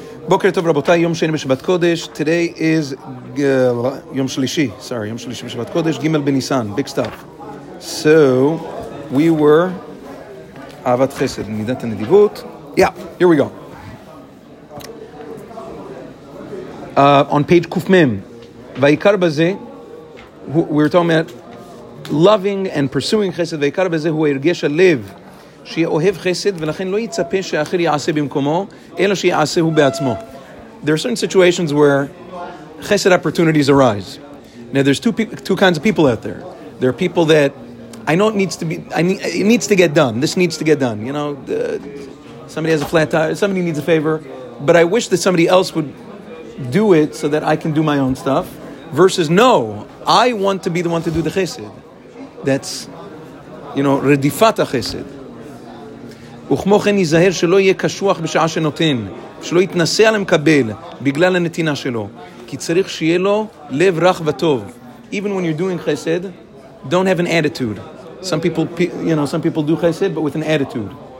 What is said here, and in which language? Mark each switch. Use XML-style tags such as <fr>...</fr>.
<he>בוקר טוב רבותיי, יום שני בשבת קודש.</he> <en>Today is</en> <he>יום שלישי, sorry, יום שלישי בשבת קודש, ג' בניסן,</he> <en>big stuff. So, we were</en> <he>אהבת חסד, מידת הנדיבות.</he> <en>Yeah, here we go. On page קופמם, ועיקר בזה, we were talking about loving and pursuing חסד,</en> <he>ועיקר בזה הוא הרגש הלב. שאוהב חסד ולכן לא יצפה שאחר יעשה במקומו אלא שיעשה הוא בעצמו.</he> <en>There are certain situations where chesed opportunities arise. Now there's two kinds of people out there. There are people that I know it needs to get done, you know, somebody has a flat tire, somebody needs a favor, but I wish that somebody else would do it so that I can do my own stuff, versus no, I want to be the one to do the chesed. That's, you know, redifat chesed.</en> <he>וכמו כן ייזהר שלא יהיה קשוח בשעה שנותן, שלא יתנשא על המקבל בגלל הנתינה שלו, כי צריך שיהיה לו לב רך וטוב.</he> <en>Even when you're doing chesed, don't have an attitude. Some people, you know, some people do chesed, but with an attitude.</en>